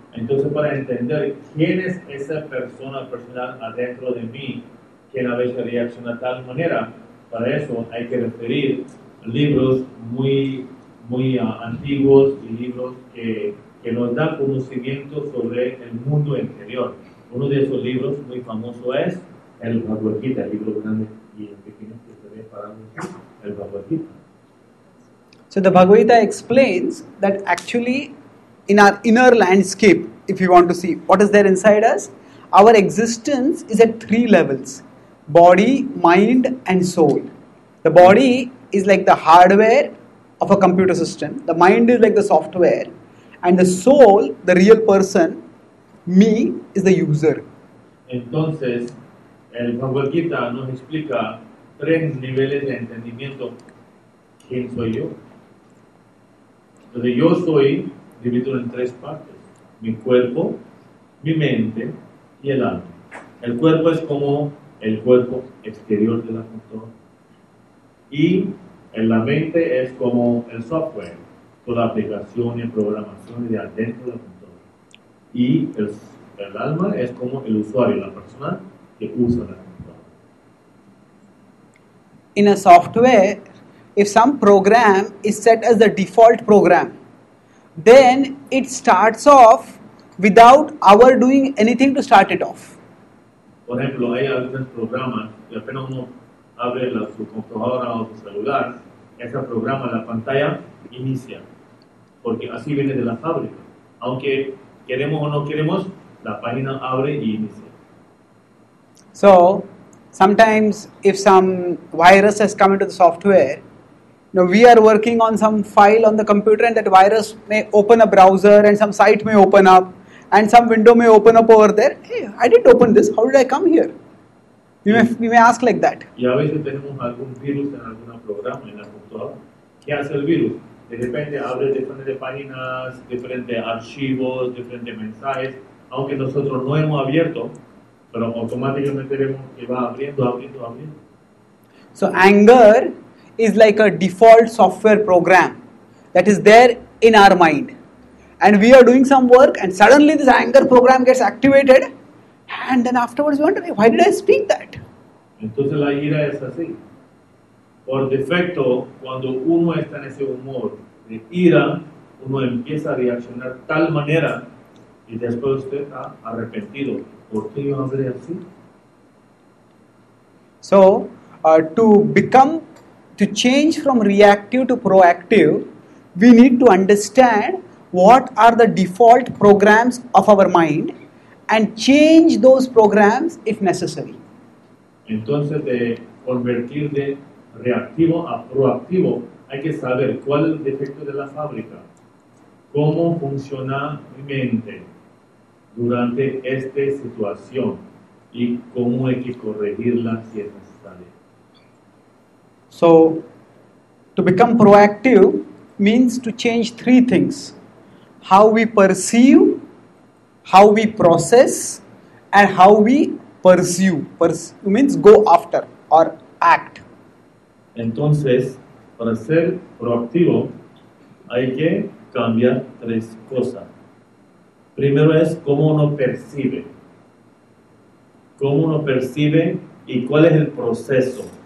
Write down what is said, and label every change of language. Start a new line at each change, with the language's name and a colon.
Spanish: Entonces, para entender quién es esa persona personal adentro de mí, quien a veces reacciona de tal manera, para eso hay que referir libros muy, muy antiguos y libros que nos dan conocimiento sobre el mundo interior. Uno de esos libros muy famoso es el Bhagavad Gita, el libro grande y el pequeño que se ve para nosotros, el Bhagavad Gita.
English: So the Bhagavad Gita explains that actually in our inner landscape, if you want to see what is there inside us, our existence is at three levels: body, mind and soul. The body is like the hardware of a computer system, the mind is like the software, and the soul, the real person, me, is the user.
Spanish: Entonces, el Bhagavad Gita nos explica tres niveles de entendimiento. ¿Quién soy yo? Entonces, yo soy dividido en tres partes: mi cuerpo, mi mente y el alma. El cuerpo es como el cuerpo exterior de la computadora. Y en la mente es como el software, toda aplicación y programación de adentro de la computadora. Y el alma es como el usuario, la persona que usa la computadora.
English: In a software, if some program is set as the default program, then it starts off without our doing anything to start it off.
Spanish: Por ejemplo, hay algunos programas que apenas uno abre su computadora o su celular, ese programa, la pantalla, inicia. Porque así viene de la fábrica. Aunque queremos o no queremos, la página abre y inicia.
English: So, sometimes if some virus has come into the software, now we are working on some file on the computer and that virus may open a browser and some site may open up and some window may open up over there. Hey, I didn't open this. How did I come here? We may ask like that.
Spanish: Y a veces tenemos algún virus en algún programa, en la computadora. ¿Qué hace el virus? De repente abre diferentes páginas, diferentes archivos, diferentes mensajes, aunque nosotros no hemos abierto, pero automáticamente vemos que va abriendo.
English: So anger is like a default software program that is there in our mind, and we are doing some work and suddenly this anger program gets activated, and then afterwards we wonder, hey, why did I speak that?
Spanish: Entonces la ira es así. Por defecto, cuando uno está en ese humor de ira, uno empieza a reaccionar tal manera y después usted está arrepentido. ¿Por qué yo hablé así?
English: So, to change from reactive to proactive, we need to understand what are the default programs of our mind and change those programs if necessary.
Spanish: Entonces, de convertir de reactivo a proactivo, hay que saber cuál es el defecto de la fábrica, cómo funciona mi mente durante esta situación y cómo hay que corregirla si es necesario.
English: So, to become proactive means to change three things: how we perceive, how we process, and how we pursue. Pursue means go after or act.
Spanish: Entonces, para ser proactivo, hay que cambiar tres cosas. Primero es cómo uno percibe. Cómo uno percibe y cuál es el proceso.